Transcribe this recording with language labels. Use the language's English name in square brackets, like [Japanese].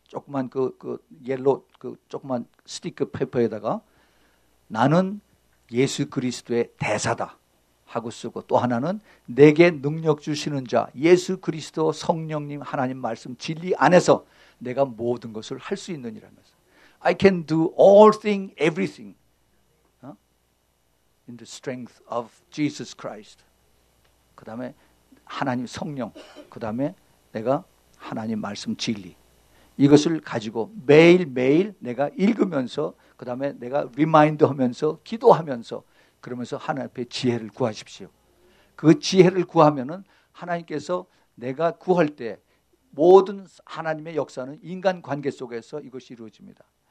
[Korean] 조그만 그 옐로 그 조그만 스티커 페퍼에다가 나는 예수 그리스도의 대사다 하고 쓰고 또 하나는 내게 능력 주시는 자 예수 그리스도 성령님 하나님 말씀 진리 안에서 내가 모든 것을 할 수 있느니라는 거죠. [English] I can do all things, everything in the strength of Jesus Christ. [Korean] 그 다음에 하나님 성령, 그 다음에 내가 하나님 말씀 진리 이것을 가지고 매일매일 내가 읽으면서 그 다음에 내가 리마인드 하면서 기도하면서 그러면서 하나님 앞에 지혜를 구하십시오. 그 지혜를 구하면은 하나님께서 내가 구할 때 모든 하나님의 역사는 인간관계 속에서 이것이 이루어집니다.